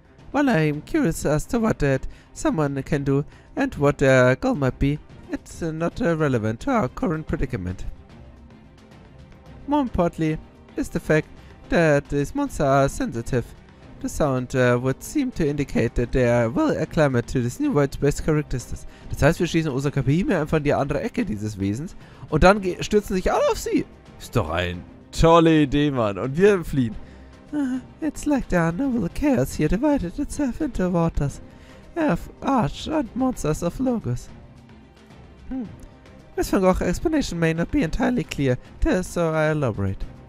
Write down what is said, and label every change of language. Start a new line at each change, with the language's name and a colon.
English: While I am curious as to what that someone can do and what their goal might be, it's not relevant to our current predicament. More importantly is the fact that these monsters are sensitive. The sound would seem to indicate that they are well acclimated to this new Void Space characteristics.
German: Das heißt, wir schießen unsere KPI mehr einfach in die andere Ecke dieses Wesens und dann stürzen sich alle auf sie. Ist doch eine tolle Idee, Mann. Und wir fliehen.
English: It's like the unknowable chaos here divided itself into waters, Earth, Arch and monsters of Logos. This Van Gogh explanation may not be entirely clear, so I elaborate.